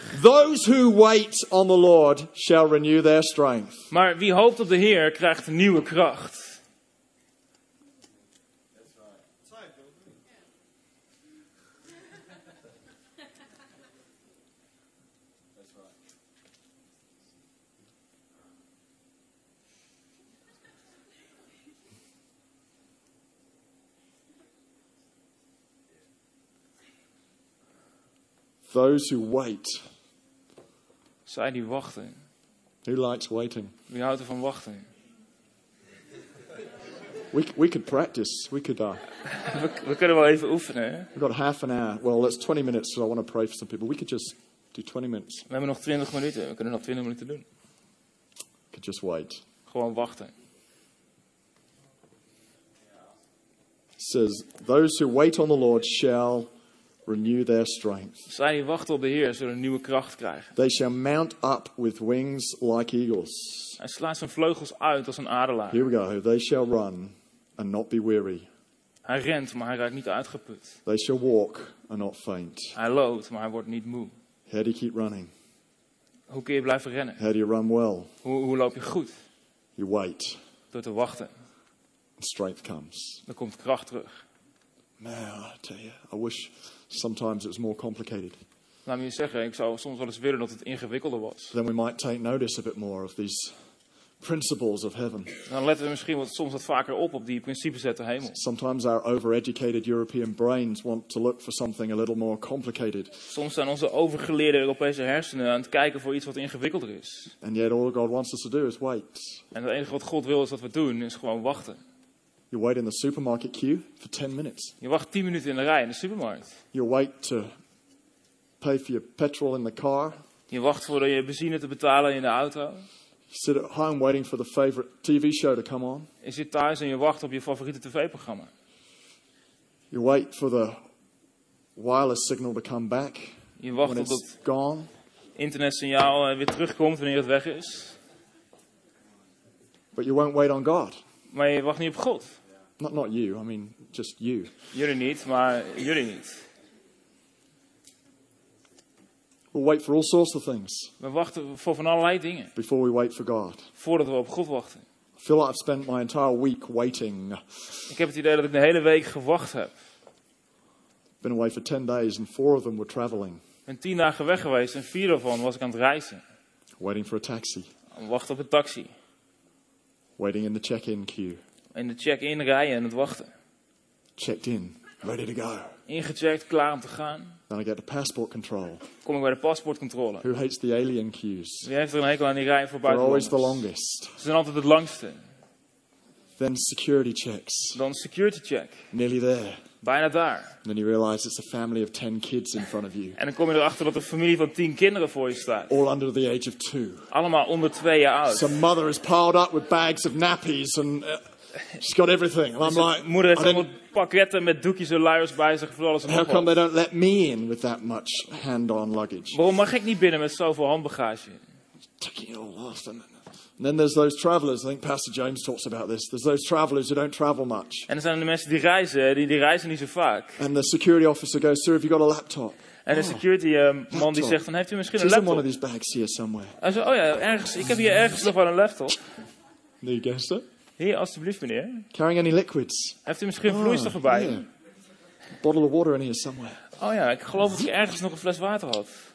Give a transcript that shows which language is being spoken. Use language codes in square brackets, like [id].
[en] Says, Those who wait on the Lord shall renew their strength. [nl] Maar wie hoopt op de Heer krijgt nieuwe kracht. [en] Those who wait. [nl] Zij die wachten. [en] Who likes waiting? [nl] Wie houdt er van wachten? [en] We could practice. We could. [nl] we kunnen wel even oefenen. [en] We've got half an hour. Well, that's 20 minutes, so I want to pray for some people. We could just do 20 minutes. [nl] We hebben nog 20 minuten. We kunnen nog 20 minuten doen. [en] We could just wait. [nl] Gewoon wachten. [en] It says, those who wait on the Lord shall renew their strength. [nl] Zij die wachten op de Heer zullen nieuwe kracht krijgen. [en] They shall mount up with wings like eagles. [nl] Hij slaat zijn vleugels uit als een adelaar. [en] Here we go. They shall run and not be weary. [nl] Hij rent, maar hij raakt niet uitgeput. [en] They shall walk and not faint. [nl] Hij loopt, maar hij wordt niet moe. [en] How do you keep running? [nl] Hoe kun je blijven rennen? [en] How do you run well? [nl] Hoe loop je goed? [en] You wait. [nl] Door te wachten. [en] Strength comes. [nl] Dan komt kracht terug. [en] Man, I tell you, I wish. Sometimes it's more complicated. [nl] Laat me je zeggen, ik zou soms wel eens willen dat het ingewikkelder was. [en] Then we might take notice a bit more of these principles of heaven. [nl] Dan letten we misschien wat soms wat vaker op die principes uit de hemel. [en] Sometimes our overeducated European brains want to look for something a little more complicated. [nl] Soms zijn onze overgeleerde Europese hersenen aan het kijken voor iets wat ingewikkelder is. [en] And yet all God wants us to do is wait. [nl] En het enige wat God wil is dat we doen is gewoon wachten. [en] You wait in the supermarket queue for 10 minutes. [nl] Je wacht 10 minuten in de rij in de supermarkt. [en] You wait to pay for your petrol in the car. [nl] Je wacht voor je benzine te betalen in de auto. [en] You sit at home waiting for the favorite TV show to come on. [nl] Je zit thuis en je wacht op je favoriete tv-programma. [en] You wait for the wireless signal to come back. [nl] Je wacht [en] when [nl] op [en] it's [nl] het [en] gone. [nl] Internetsignaal weer terugkomt wanneer het weg is. [en] But you won't wait on God. [nl] Maar je wacht niet op God. [en] Not you, I mean just you. [nl] Jullie niet, maar jullie niet. [en] We'll wait for all sorts of things. [nl] We wachten voor van allerlei dingen. [en] Before we wait for God. [nl] Voordat we op God wachten. [en] I feel like I've spent my entire week waiting. [nl] Ik heb het idee dat ik de hele week gewacht heb. [en] Been away for 10 days and 4 of them were traveling. [nl] Ik ben 10 dagen weg geweest en 4 daarvan was ik aan het reizen. [en] Waiting for a taxi. [nl] Wacht op een taxi. [en] Waiting in the check-in queue. [nl] In de check-in rijen en het wachten. [en] checked in, ready to go. [nl] Ingecheckt, klaar om te gaan. [en] Then I get the passport control. [nl] Kom ik bij de paspoortcontrole. [en] Who hates the alien queues? [nl] Wie heeft er een hekel aan die rij voor buitenlanders? [en] They're always the longest. [nl] Ze zijn altijd het langste. [en] Then security checks. [nl] Dan security check. [en] Nearly there. [nl] Bijna daar. [en] And then you realize it's a family of 10 kids in front of you. [nl] En dan kom je erachter dat er een familie van 10 kinderen voor je staat. [en] All under the age of 2. [nl] Allemaal onder 2 jaar oud. [en] Some mother is piled up with bags of nappies and she's got everything. And I'm like, [nl] moeder heeft allemaal pakketten met doekjes en luiers bij zich voor alles. [en] How come they don't let me in with that much hand-on luggage? [nl] Waarom mag ik niet binnen met zoveel handbagage? [en] Taking it all off and then there's those travelers. I think Pastor James talks about this. There's those travelers who don't travel much. [nl] En er zijn de mensen die reizen, die reizen niet zo vaak. [en] And the security officer goes, sir, have you got a laptop? [nl] En de security man die zegt, dan heeft u misschien een laptop. [en] One of these bags here somewhere. [nl] Hij zegt, oh ja, ergens. Ik heb hier ergens nog wel een laptop. [en] There you go, sir. [nl] Hier, alstublieft, meneer. [en] Carrying any liquids? [nl] Heeft u misschien vloeistof erbij? [en] Yeah. Bottle of water in here somewhere. [nl] Oh ja, ik geloof dat ik ergens nog een fles water had.